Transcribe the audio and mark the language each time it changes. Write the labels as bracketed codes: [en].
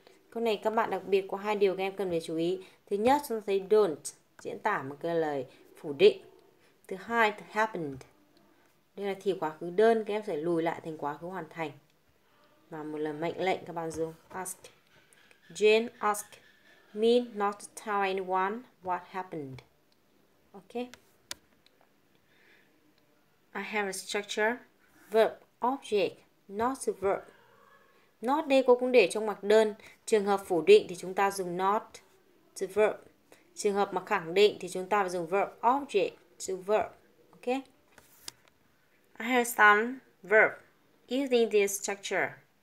[vi] Câu này các bạn đặc biệt có hai điều các em cần phải chú ý. Thứ nhất, chúng ta thấy don't diễn tả một cái lời phủ định. Thứ hai, happened. Đây là thì quá khứ đơn, các em phải lùi lại thành quá khứ hoàn thành. Và một lời mệnh lệnh các bạn dùng ask. [en] Jane asked me not to tell anyone what happened. Okay. I have a structure. Verb, object, not the verb. [vi] Not đây cô cũng để trong mặc đơn. Trường hợp phủ định thì chúng ta dùng [en] not to verb. [vi] Trường hợp mà khẳng định thì chúng ta phải dùng [en] verb object to verb. Okay. I have some verb using this structure.